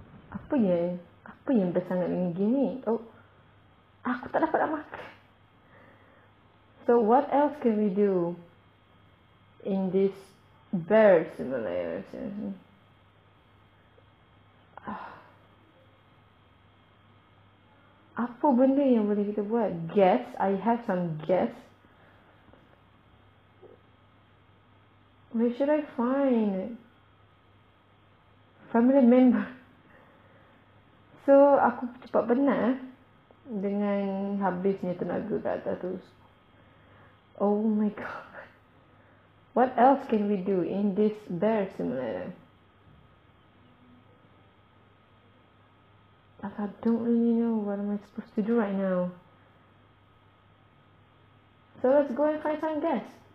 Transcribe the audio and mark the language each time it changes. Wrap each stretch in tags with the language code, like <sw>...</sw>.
<ms>Apa yang best sangat dengan game ni? Oh, aku tak dapat nak makan.</ms> <en>So, what else can we do in this bear simulator?</en> <ms>Apa benda yang boleh kita buat?</ms> <en>Guess? I have some guess. Where should I find it? Family member.</en> <ms>So, aku cepat penat dengan habisnya tenaga kat atas tu.</ms> <en>Oh my god. What else can we do in this bear simulator? I don't really know what am I supposed to do right now. So let's go and find some guests.</en>